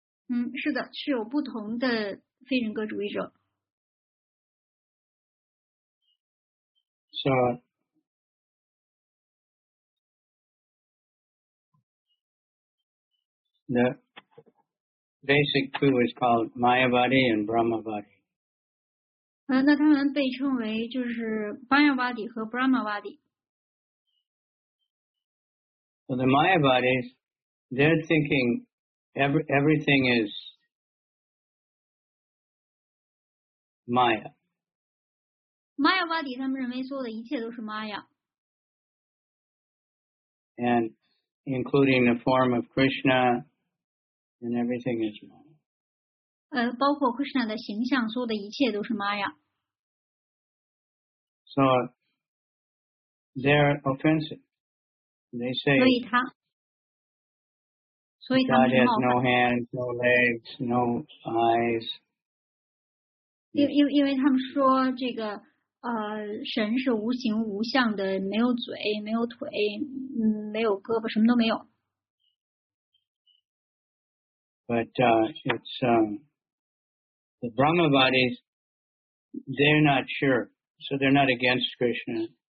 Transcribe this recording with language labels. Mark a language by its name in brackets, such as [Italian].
[Chinese] 嗯，是的，是有不同的非人格主义者。 [English] So, the basic two is called Mayavadi and Brahmavadi. [Chinese] 那他们被称为就是 Mayavadi 和 Brahmavadi。 [English] So the Mayavadis, they're thinking everything is Maya. [Chinese] Mayavadi 他们认为所有的一切都是 Maya。 [English] And including the form of Krishna and everything is Maya. [Chinese] 包括 Krishna 的形象所有的一切都是 Maya。 [English] So, they're offensive. They say, God has no hands, no legs, no eyes. [Chinese] 因为他们说这个神是无形无相的，没有嘴，没有腿，没有胳膊，什么都没有。 [English] But the Brahma bodies, they're not sure, so they're not against Krishna.